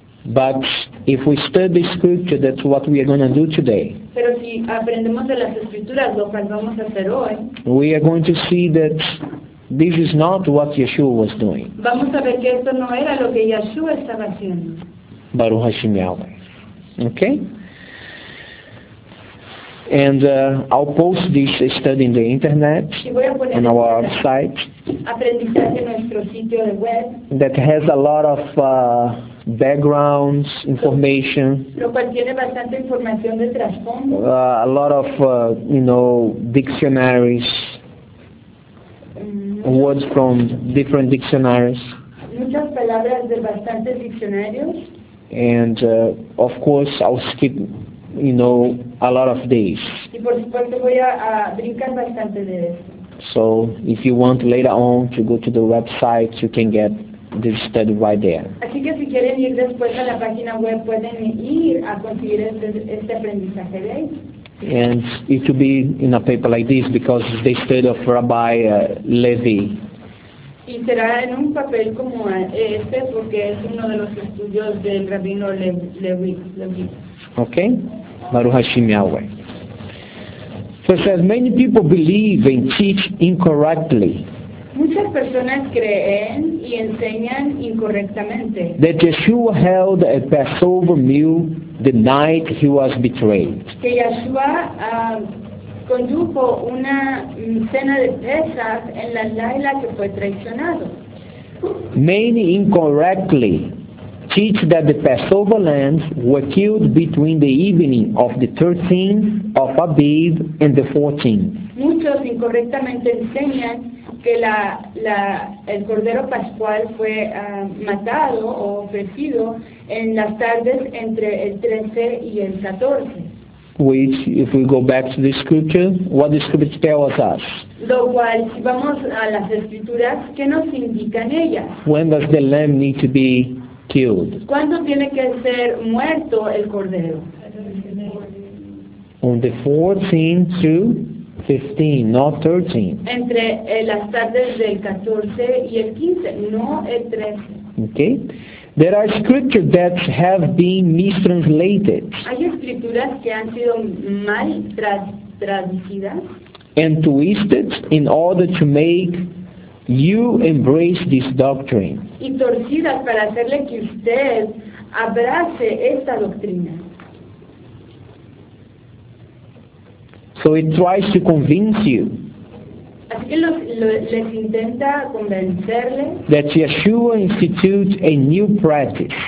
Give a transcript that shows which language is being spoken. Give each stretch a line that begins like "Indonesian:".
English: But if we study the scripture, that's what we are going to do today.
Spanish: Pero si aprendemos de las escrituras, lo que vamos a hacer hoy,
English: we are going to see that this is not what Yeshua was doing.
Spanish: Vamos a ver que esto no era lo que Yeshua estaba haciendo.
Hebrew: Baruch Hashem Yahweh. Okay?
English: And I'll post this study in the internet, on our website,
Spanish: aprendizaje en nuestro sitio de web,
English: that has a lot of backgrounds, information,
Spanish: lo cual tiene bastante información de trasfondo,
English: a lot of, you know, dictionaries, words from different dictionaries,
Spanish: muchas palabras de bastantes diccionarios,
English: and of course I'll skip, you know, a lot of days.
Spanish: Y por supuesto voy a brincar bastante de eso.
English: So if you want later on to go to the website, you can get this study right there.
Spanish: Así que si quieren ir después a la página web, pueden ir a conseguir este aprendizaje de ahí.
English: And it will be in a paper like this because it's the study of Rabbi Levi.
Spanish: Y será en un papel como este porque es uno de los estudios del Rabino Levi.
Hebrew: Okay? Baruch Hashem Yahweh.
English: So it says, many people believe and teach incorrectly.
Spanish: Muchas personas creen y enseñan incorrectamente.
English: That Yeshua held a Passover meal the night he was betrayed.
Spanish: Que Yeshua condujo una cena de Pesach en la laila que fue traicionado.
English: Many incorrectly teach that the Passover lambs were killed between the evening of the 13th of Abib and the 14th.
Spanish: Muchos incorrectamente enseñan que el cordero pascual fue matado o ofrecido en las tardes entre el 13 y el 14.
English: Which, if we go back to the scripture, what the scripture tells us?
Spanish: Lo cual, si vamos a las escrituras, ¿qué nos indican ellas?
English: When does the lamb need to be killed?
Spanish: ¿Cuándo tiene que ser muerto el cordero?
English: On the 14th to 15, not 13.
Spanish: Entre las tardes del 14 y el 15, no el 13.
English: Okay. There are scriptures that have been mistranslated.
Spanish: Hay escrituras que han sido mal traducidas.
English: and twisted in order to make you embrace this doctrine.
Spanish: Y torcidas para hacerle que usted abrace esta doctrina.
English: So it tries to convince you.
Spanish: Así que les intenta convencerle.
English: That Yeshua instituted a new practice.